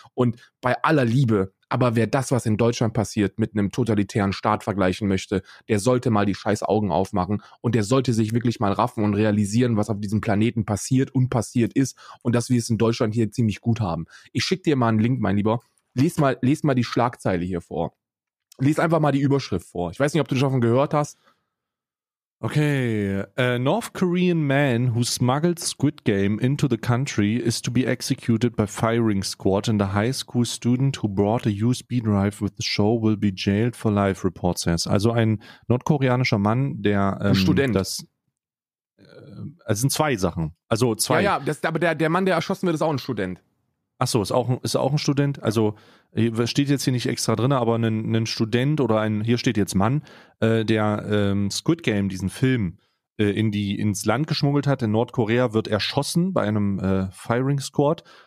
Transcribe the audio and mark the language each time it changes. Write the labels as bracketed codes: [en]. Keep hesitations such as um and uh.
[de] Und bei aller Liebe, aber wer das, was in Deutschland passiert, mit einem totalitären Staat vergleichen möchte, der sollte mal die scheiß Augen aufmachen und der sollte sich wirklich mal raffen und realisieren, was auf diesem Planeten passiert und passiert ist und dass wir es in Deutschland hier ziemlich gut haben. Ich schick dir mal einen Link, mein Lieber. Lies mal, lies mal die Schlagzeile hier vor. Lies einfach mal die Überschrift vor. Ich weiß nicht, ob du davon gehört hast. [en] Okay, a North Korean man who smuggled Squid Game into the country is to be executed by firing squad and a high school student who brought a USB drive with the show will be jailed for life, report says. [de] Also ein nordkoreanischer Mann, der ähm, Student. das äh, also es sind zwei Sachen. Also zwei. Ja, ja, das, aber der, der Mann, der erschossen wird, ist auch ein Student. Ach so, ist auch ein- ist auch ein Student. Also äh, steht jetzt hier nicht extra drin, aber ein, ein Student oder ein hier steht jetzt Mann, äh, der ähm, Squid Game diesen Film äh, in die ins Land geschmuggelt hat in Nordkorea wird erschossen bei einem äh, Firing Squad